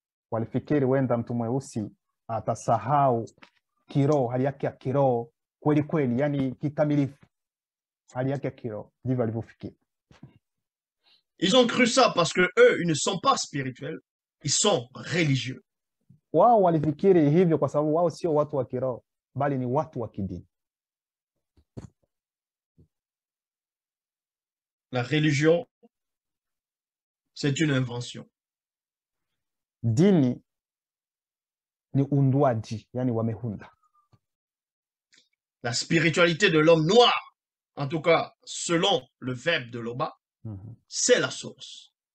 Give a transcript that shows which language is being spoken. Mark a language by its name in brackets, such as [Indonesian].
[Swahili] Walifikiri wenda mtu mweusi atasahau kiroho, hali yake ya kiroho kweli kweli, yani kikamilifu. Hali yake ya kiroho ndivyo walivyofikiri. [French] Ils ont cru ça parce que eux ils ne sont pas spirituels, ils sont religieux. [Swahili] Wao walifikiri hivyo kwa sababu wao sio watu wa kiroho bali ni watu wa kidini. [French] La religion c'est une invention. [Swahili] Dini ni unduaji, yani wamehunda. [French] La spiritualité de l'homme noir, en tout cas selon le verbe de Loba, mm-hmm, c'est la source.